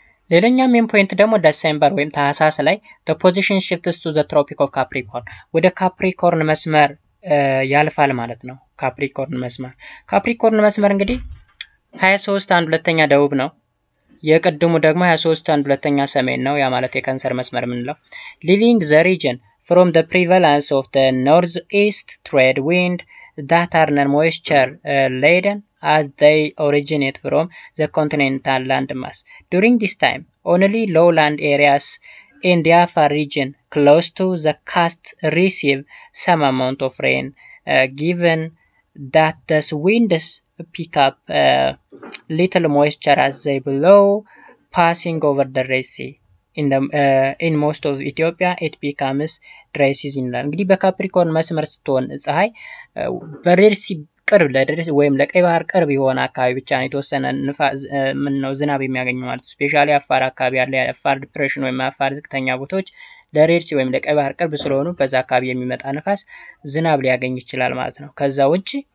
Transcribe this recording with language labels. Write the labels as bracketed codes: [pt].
[am] ሌላኛ ሜን ፖይንት ደግሞ ዲሴምበር ወይም ታህሳስ ላይ [en] the position shifts to the tropic of capricorn [am] ወደ ካፕሪኮርን መስመር ያልፋል ማለት ነው። ካፕሪኮርን መስመር እንግዲህ 23 አንድ ሁለተኛ ደቡብ ነው። የቀደሙ ደግሞ 23 አንድ ሁለተኛ ሰሜን ነው። ያ ማለት የካንሰር መስመር ምን ነው? [en] Leaving the region from the prevalence of the northeast trade wind that are non moisture laden as they originate from the continental landmass. During this time, only lowland areas in the Afar region close to the coast receive some amount of rain, given that the winds pick up little moisture as they blow, passing over the Red Sea. In most of Ethiopia, it becomes dry season. [am] እንግዲህ በካፕሪኮርን መስመር ስትሆን ፀሐይ በሬድ ሲ ቅርብ ለደረስ ወይም ለቀይ ባህር ቅርብ የሆነ አካባቢ ብቻ ነው የተወሰነ ምነው ዝናብ የሚያገኙ ማለት ነው። ስፔሻሊ አፋር አካባቢ ያለ የአፋር ዲፕሬሽን ወይም አፋር ዝቅተኛ ቦታዎች ለሬድ ሲ ወይም ለቀይ ባህር ቅርብ ስለሆኑ በዛ አካባቢ የሚመጣ ንፋስ ዝናብ ሊያገኝ ይችላል ማለት ነው። ከዛ ውጭ